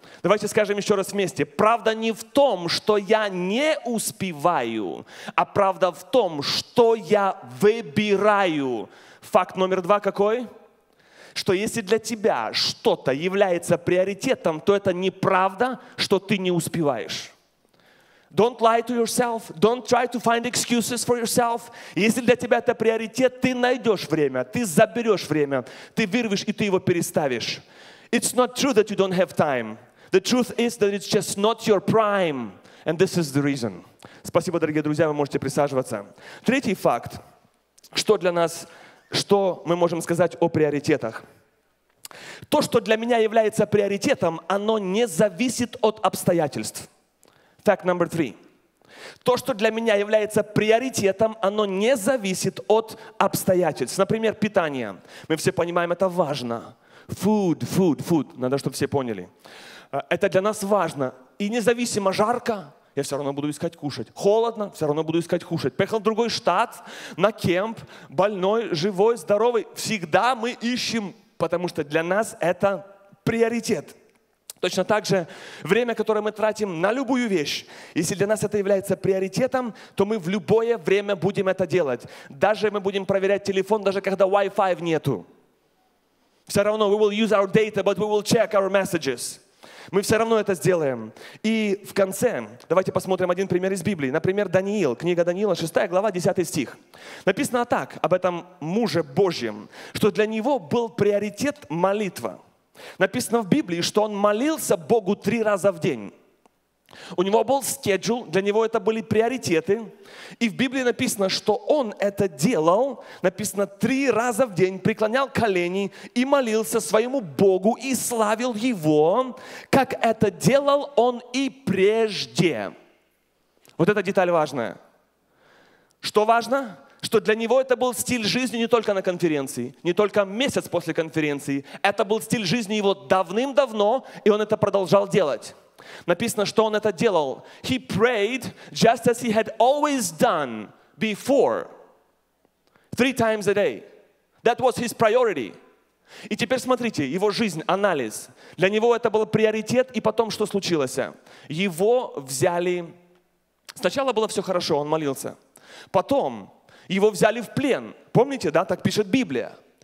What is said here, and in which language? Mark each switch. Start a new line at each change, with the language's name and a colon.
Russian: Давайте скажем еще раз вместе. Правда не в том, что я не успеваю, а правда в том, что я выбираю. Факт номер два какой? Что если для тебя что-то является приоритетом, то это не правда, что ты не успеваешь.
English: Don't lie to yourself. Don't try to find excuses for yourself.
Russian: Если для тебя это приоритет, ты найдешь время, ты заберешь время, ты вырвешь и ты его переставишь.
English: It's not true that you don't have time. The truth is that it's just not your prime. And this is the reason.
Russian: Спасибо, дорогие друзья, вы можете присаживаться. Третий факт. Что для нас, что мы можем сказать о приоритетах? То, что для меня является приоритетом, оно не зависит от обстоятельств.
English: Fact number three.
Russian: То, что для меня является приоритетом, оно не зависит от обстоятельств. Например, питание. Мы все понимаем, это важно.
English: Food, food, food.
Russian: Надо, чтобы все поняли. Это для нас важно. И независимо, жарко, я все равно буду искать кушать. Холодно, все равно буду искать кушать. Поехал в другой штат, на кемп, больной, живой, здоровый. Всегда мы ищем, потому что для нас это приоритет. Точно так же время, которое мы тратим на любую вещь. Если для нас это является приоритетом, то мы в любое время будем это делать. Даже мы будем проверять телефон, даже когда Wi-Fi нету. Все равно
English: we will use our data, but we will check our messages.
Russian: Мы все равно это сделаем. И в конце, давайте посмотрим один пример из Библии. Например, Даниил, книга Даниила, 6 глава, 10 стих. Написано так, об этом муже Божьем, что для него был приоритет молитва. Написано в Библии, что он молился Богу 3 раза в день. У него был schedule, для него это были приоритеты. И в Библии написано, что он это делал, написано 3 раза в день, преклонял колени и молился своему Богу и славил Его, как это делал он и прежде. Вот эта деталь важная. Что важно? Что для него это был стиль жизни не только на конференции, не только месяц после конференции. Это был стиль жизни его давным-давно, и он это продолжал делать. Написано, что он это делал.
English: He prayed just as he had always done before. 3 times a day. That was his priority.
Russian: И теперь смотрите, его жизнь, анализ. Для него это был приоритет, и потом что случилось? Его взяли... Сначала было все хорошо, он молился. Потом его взяли в плен. Помните, да, так пишет Библия.